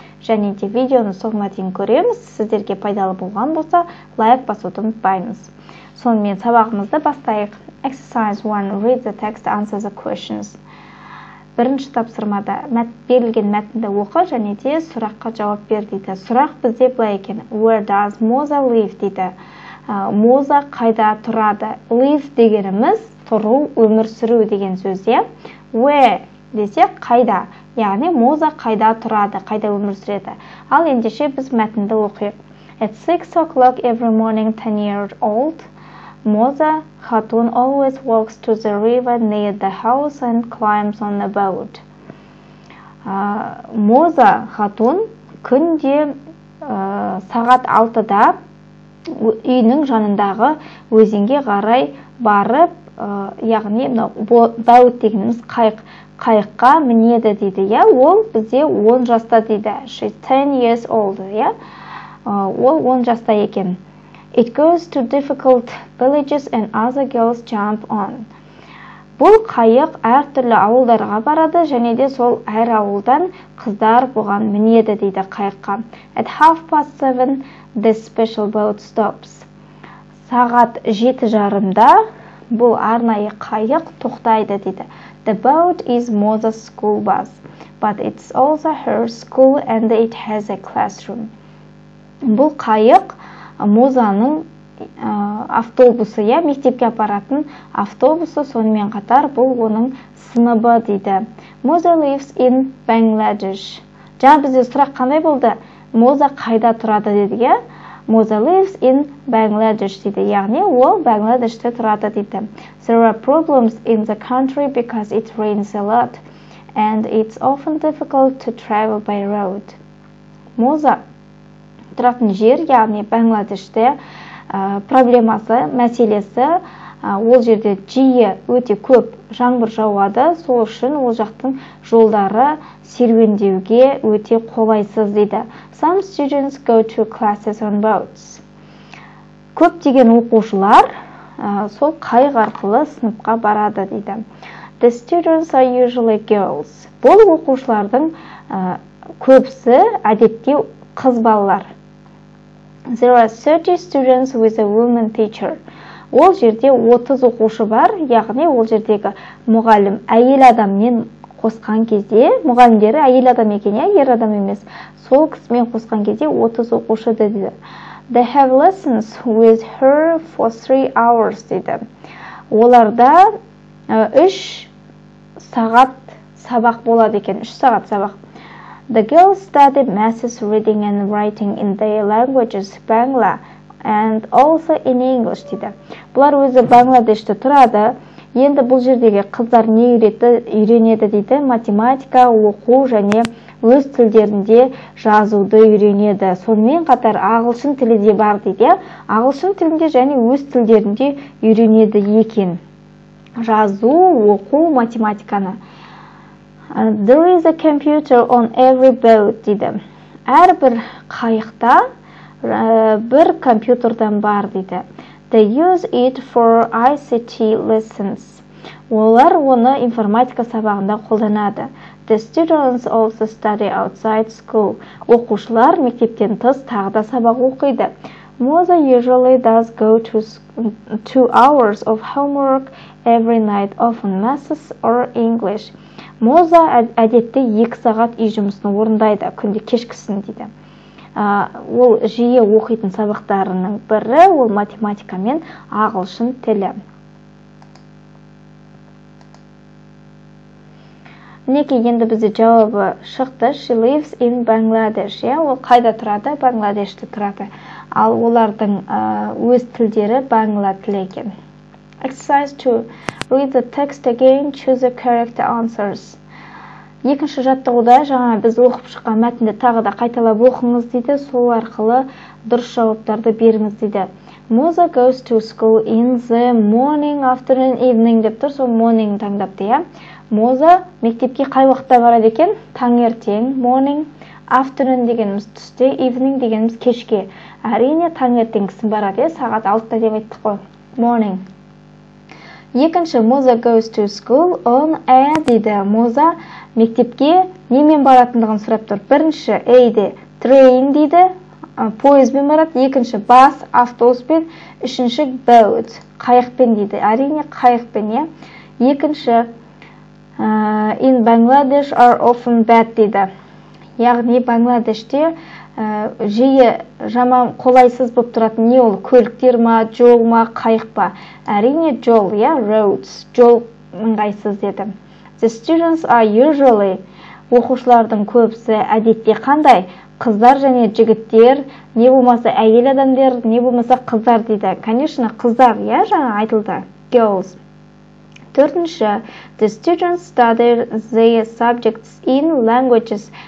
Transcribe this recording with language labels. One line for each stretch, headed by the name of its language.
Kazakh: Және де видеоны соңына дейін көреміз. Сіздерге пайдалы болған болса, лайк басуды ұмытпаймыз. Сонымен сабағымызды бастайық.
English: Exercise 1. Read the text, answer the questions.
Kazakh: Бірінші тапсырмада берілген мәтінді оқы және де сұраққа жауап бер дейді. Сұрақ бізде былай екен.
English: Where does Moza live
Kazakh: дейді. Moza қайда тұрады? Live дегеніміз тұру, өмір сүру деген сөз. Where десе қайда. Яғни Moza қайда тұрады, қайда өмір сүреді. Ал ендеше біз мәтінді оқиық.
English: At 6 o'clock every morning, 10 years old, Moza Хатун always walks to the river near the house and climbs on the boat.
Kazakh: Moza Хатун күнде сағат 6-да үйінің жанындағы өзенге қарай барып, яғни boat дегеніміз қайыққа мінеді дейді. Ол бізде 10 жаста дейді.
English: She's 10 years old.
Kazakh: Ол 10 жаста екен.
English: It goes to difficult villages and other girls jump on.
Kazakh: Бұл қайық әртүрлі ауылдарға барады, және де сол әр ауылдан қыздар бұған мінеді дейді қайыққа.
English: At 7:30 this special boat stops.
Kazakh: Сағат 7:30 бұл арнайы қайық тоқтайды дейді.
English: The boat is Moza's school bus, but it's also her school and it has a classroom.
Kazakh: Бұл қайық Мозаның автобусы, мектепке апаратын автобусы, сонымен қатар бұл оның сыныбы дейді.
English: Moza lives in Bangladesh.
Kazakh: Жаңа бізде сұрақ қандай болды? Moza қайда тұрады дейді.
English: Moza lives in Bangladesh
Kazakh: дейді. Яғни ол Бангладеште тұрады дейді.
English: There are problems in the country because it rains a lot and it's often difficult to travel by road.
Kazakh: Moza тұратын жер, яғни Бангладеште проблемасы, мәселесі, ол жерде жиі өте көп жаңбыр жауады, сол үшін ол жақтың жолдары серуендеуге өте қолайсыз дейді.
English: Some students go to classes on boats.
Kazakh: Көп деген оқушылар сол қайық арқылы сыныпқа барады дейді.
English: The students are usually girls.
Kazakh: Бұл оқушылардың көпсі әдетте қыз балалар.
English: There are 30 students with a woman teacher.
Kazakh: Ол жерде 30 оқушы бар, яғни ол жердегі мұғалім әйел адаммен қосқан кезде, мұғалімдері әйел адам екен, ер адам емес, сол кісімен қосқан кезде 30 оқушы дейді.
English: They have lessons with her for 3 hours
Kazakh: дейді. Оларда 3 сағат сабақ болады екен, 3 сағат сабақ.
English: The girls study masses reading and writing in their languages, Bangla, and also in English,
Kazakh: дейді. Бұлар өзі Бангладеште тұрады, енді бұл жердегі қыздар не үйренеді дейді, математика, оқу және өз тілдерінде жазуды үйренеді. Сонымен қатар ағылшын тілі де бар дейді, ағылшын тілінде және өз тілдерінде үйренеді екен. Жазу, оқу, математиканы.
English: There is a computer on every boat,
Kazakh: дейді. Әрбір қайықта бір компьютердан бар, дейді.
English: They use it for ICT lessons.
Kazakh: Олар оны информатика сабағында қолданады.
English: The students also study outside school.
Kazakh: Оқушылар мектептен тыс тағы да сабақ оқиды.
English: Moza usually does go to 2 hours of homework every night, often maths or English.
Kazakh: Moza әдетте 2 сағат үй жұмысын орындайды күнде кешкісін дейді. Ол жиі оқитын сабақтарының бірі ол математика мен ағылшын тілі. Неке енді бізде жауабы шықты.
English: She lives in Bangladesh.
Kazakh: Ол қайда тұрады? Бангладеште тұрады. Ал олардың өз тілдері бангла тілі екен.
English: Exercise 2. Read the text again. Choose the correct answers.
Kazakh: Екінші жаттығуда жаңа біз оқып шыққан мәтінді тағы да қайталап оқыңыз дейді. Сол арқылы дұрыс жауаптарды беріңіз дейді.
English: Moza goes to school in the morning, afternoon, evening
Kazakh: деп тұр. Сол
English: morning
Kazakh: таңдапты. Моза мектепке қай уақытта барады екен? Таңертең, morning, afternoon дегеніміз түсте, evening дегеніміз кешке. Әрине таңертең кісі барады, сағат 6-та деп айттық қой.
English: Morning.
Kazakh: Екінші, Моза
English: goes to school on a
Kazakh: дейді. Моза мектепке немен баратындығын сұрап тұр. Бірінші, A де train дейді. Поезбен барады. Екінші, bus, автобуспен. Үшінші, boat, қайықпен дейді. Әрине қайықпен, е? Екінші,
English: in Bangladesh are often bad
Kazakh: дейді. Яғни Бангладеште жиі жаман қолайсыз болып тұратын не ол? Көліктер ма, жол ма, қайық па? Әрине жол, я, roads, жол ыңғайсыз дедім.
English: The students are usually,
Kazakh: оқушылардың көбісі әдетте қандай? Қыздар және жігіттер, не болмаса әйел адамдар, не болмаса қыздар дейді.
Russian: Конечно,
Kazakh: қыздар, я, жаңа айтылды, girls. Төртінші,
English: the students study their subjects in languages.